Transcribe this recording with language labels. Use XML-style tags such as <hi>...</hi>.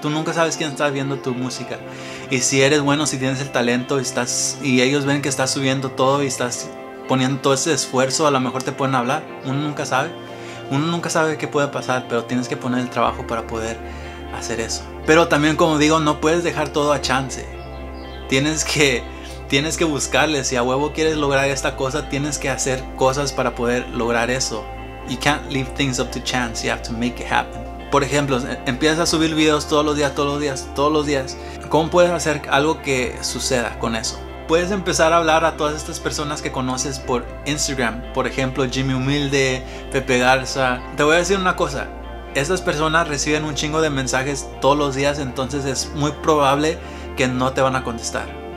<es>Tú nunca sabes quién está viendo tu música. Y si eres bueno, si tienes el talento y ellos ven que estás subiendo todo y estás poniendo todo ese esfuerzo, a lo mejor te pueden hablar. Uno nunca sabe. Uno nunca sabe qué puede pasar, pero tienes que poner el trabajo para poder hacer eso. Pero también, como digo, no puedes dejar todo a chance. Tienes que buscarle. Si a huevo quieres lograr esta cosa, tienes que hacer cosas para poder lograr eso.</es> <en>You can't leave things up to chance, you have to make it happen.</en> <es>Por ejemplo, empiezas a subir videos todos los días, todos los días, todos los días. ¿Cómo puedes hacer algo que suceda con eso? Puedes empezar a hablar a todas estas personas que conoces por Instagram. Por ejemplo, Jimmy Humilde, Pepe Garza. Te voy a decir una cosa. Estas personas reciben un chingo de mensajes todos los días, entonces es muy probable que no te van a contestar.</es>